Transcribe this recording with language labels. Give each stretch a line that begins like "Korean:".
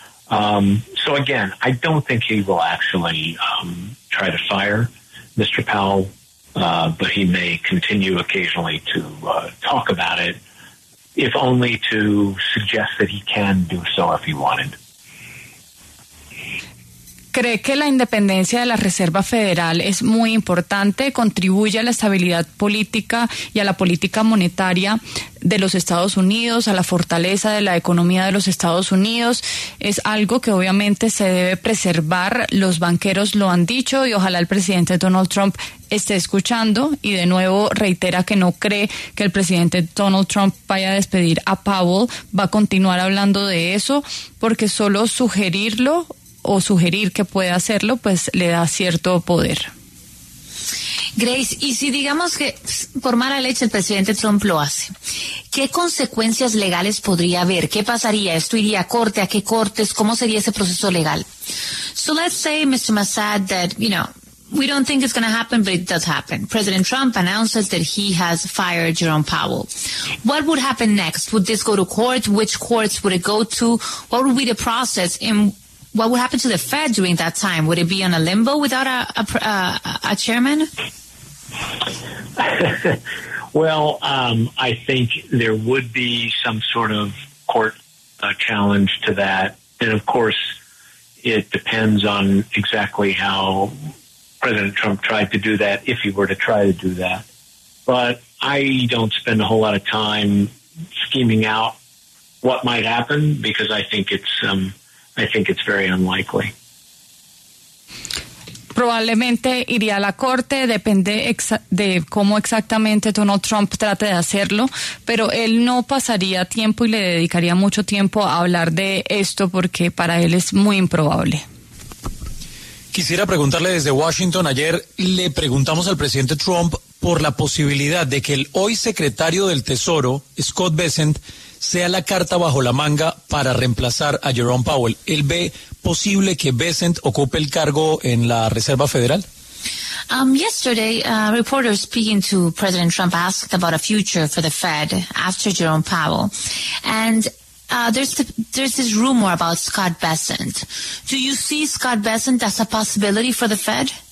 English: So again, I don't think he will actually try to fire Mr. Powell, but he may continue occasionally to talk about it, if only to suggest that he can do so if he wanted.
Spanish: ¿Cree que la independencia de la Reserva Federal es muy importante, contribuye a la estabilidad política y a la política monetaria de los Estados Unidos, a la fortaleza de la economía de los Estados Unidos? Es algo que obviamente se debe preservar, los banqueros lo han dicho y ojalá el presidente Donald Trump esté escuchando y de nuevo reitera que no cree que el presidente Donald Trump vaya a despedir a Powell, va a continuar hablando de eso porque solo sugerirlo o sugerir que puede hacerlo, pues le da cierto poder. Grace, y si digamos que por mala leche el presidente Trump lo hace, ¿qué consecuencias legales podría haber? ¿Qué pasaría? ¿Esto iría a corte? ¿A qué cortes? ¿Cómo sería ese proceso legal?
English: So let's say, Mr. Mazad, that, you know, we don't think it's going to happen, but it does happen. President Trump announces that he has fired Jerome Powell. What would happen next? Would this go to court? Which courts would it go to? What would be the process in... What would happen to the Fed during that time? Would it be on a limbo without a chairman? Well, I think there would be some sort of court challenge to that. And, of course, it depends on exactly how President Trump tried to do that, if he were to try to do that. But I don't spend a whole lot of time scheming out what might happen, because I think it's very unlikely.
Spanish: Probablemente iría a la corte, depende de cómo exactamente Donald Trump trate de hacerlo, pero él no pasaría tiempo y le dedicaría mucho tiempo a hablar de esto porque para él es muy improbable. Quisiera preguntarle desde Washington, ayer le preguntamos al presidente Trump por la posibilidad de que el hoy secretario del Tesoro, Scott Bessent, sea la carta bajo la manga para reemplazar a Jerome Powell. ¿Él ve posible que Bessent ocupe el cargo en la Reserva Federal?
English: Yesterday, a reporter speaking to President Trump asked about a future for the Fed after Jerome Powell. And there's this rumor about Scott Bessent. Do you see Scott Bessent as a possibility for the Fed?